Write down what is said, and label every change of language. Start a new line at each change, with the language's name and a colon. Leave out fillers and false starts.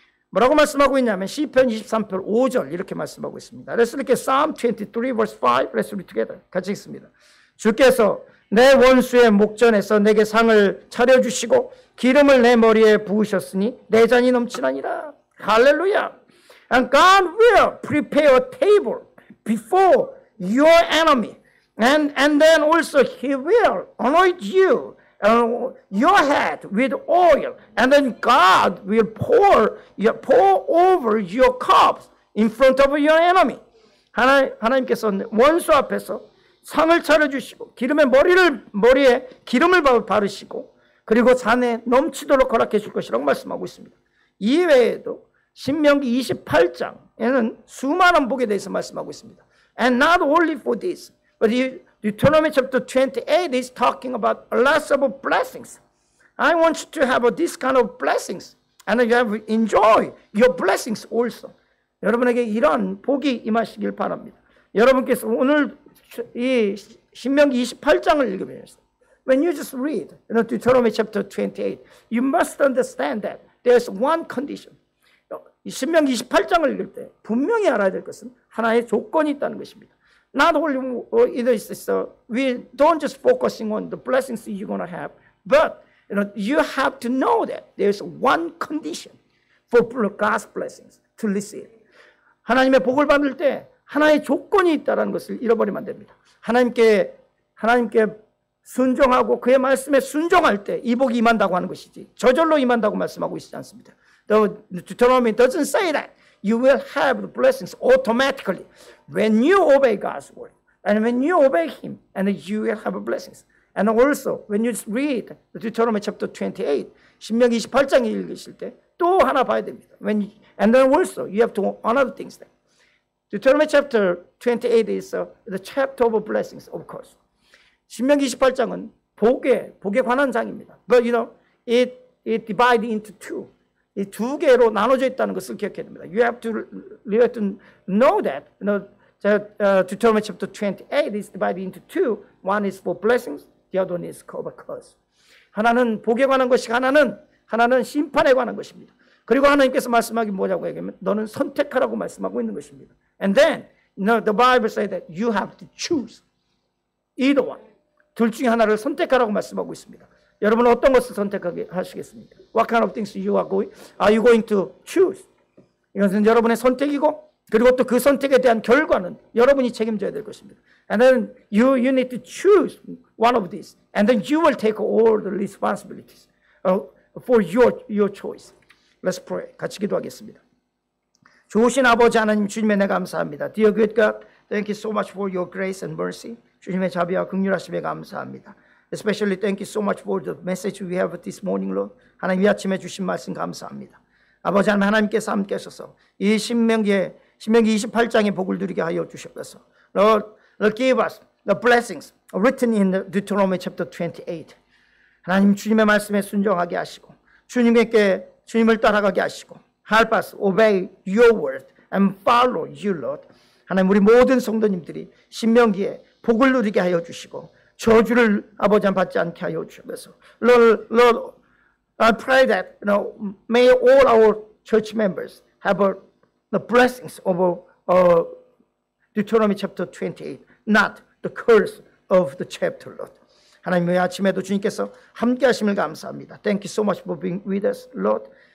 Korean: 뭐라고 말씀하고 있냐면 시편 23편 5절 이렇게 말씀하고 있습니다.
English: Let's look at Psalm 23 verse 5. Let's read together.
Korean: 같이 읽습니다. 주께서 내 원수의 목전에서 내게 상을 차려 주시고 기름을 내 머리에 부으셨으니 내 잔이 넘치나니라.
English: 할렐루야. And God will prepare a table before your enemy. And then also he will anoint you and your head with oil. And then God will pour over your cups in front of your enemy.
Korean: 하나님께서 원수 앞에서 상을 차려주시고 기름에 머리에 기름을 바르시고 그리고 잔에 넘치도록 허락해 줄 것이라고 말씀하고 있습니다. 이외에도 신명기 28장에는 수많은 복에 대해서 말씀하고 있습니다.
English: And not only for this, but Deuteronomy chapter 28 is talking about lots of blessings. I want you to have this kind of blessings, and you have enjoy your blessings also.
Korean: 여러분에게 이런 복이 임하시길 바랍니다. 여러분께서 오늘 이 신명기 28장을 읽으면서,
English: when you just read Deuteronomy chapter 28, you must understand that there's one condition.
Korean: 이 신명기 28장을 읽을 때 분명히 알아야 될 것은 하나의 조건이 있다는 것입니다.
English: Not only we don't just focusing on the blessings you're going to have, but you have to know that there's one condition for God's blessings to receive.
Korean: 하나님의 복을 받을 때 하나의 조건이 있다는 것을 잃어버리면 안 됩니다. 하나님께 순종하고 그의 말씀에 순종할 때 이 복이 임한다고 하는 것이지 저절로 임한다고 말씀하고 있지 않습니다.
English: The Deuteronomy doesn't say that you will have the blessings automatically when you obey God's word and when you obey Him and you will have blessings. And also when you read the Deuteronomy chapter 28,
Korean: 신명기 28장 읽으실 때 또 하나 봐야 됩니다.
English: When you, and then also you have to another things there. Deuteronomy chapter 28 is the chapter of blessings, of course.
Korean: 신명기 28장은 복에 관한 장입니다.
English: But you know it divided into two.
Korean: 이 두 개로 나눠져 있다는 것을 기억해야 됩니다.
English: You have to know that. You know, Deuteronomy chapter 28 is divided into two. One is for blessings, the other one is for a curse.
Korean: 하나는 복에 관한 것이고 하나는 심판에 관한 것입니다. 그리고 하나님께서 말씀하기 뭐냐고 얘기하면 너는 선택하라고 말씀하고 있는 것입니다.
English: And then, you know, the Bible says that you have to choose either one.
Korean: 둘 중에 하나를 선택하라고 말씀하고 있습니다. 여러분은 어떤 것을 선택하시겠습니까?
English: What kind of things are you going to choose?
Korean: 이것은 여러분의 선택이고 그리고 또 그 선택에 대한 결과는 여러분이 책임져야 될 것입니다.
English: And then you need to choose one of these. And then you will take all the responsibilities for your choice. Let's pray.
Korean: 같이 기도하겠습니다. 좋으신 아버지 하나님 주님의 내 감사합니다.
English: Dear good God, thank you so much for your grace and mercy.
Korean: 주님의 자비와 긍휼하심에 감사합니다.
English: Especially thank you so much for the message we have this morning, Lord.
Korean: 하나님 이 아침에 주신 말씀 감사합니다. 아버지 하나님 하나님께서 함께 하셔서 이 신명기 28장의 복을 누리게 하여 주셨어서
English: Lord give us the blessings written in Deuteronomy chapter 28.
Korean: 하나님 주님의 말씀에 순종하게 하시고 주님께 주님을 따라가게 하시고
English: help us obey your word and follow you, Lord.
Korean: 하나님 우리 모든 성도님들이 신명기에 복을 누리게 하여 주시고 저주를 아버지 안 받지 않게 하여 주셔서
English: Lord, I pray that you know, may all our church members have the blessings of Deuteronomy chapter 28, not the curse of the chapter, Lord.
Korean: 하나님 오늘 아침에도 주님께서 함께 하심을 감사합니다.
English: Thank you so much for being with us, Lord.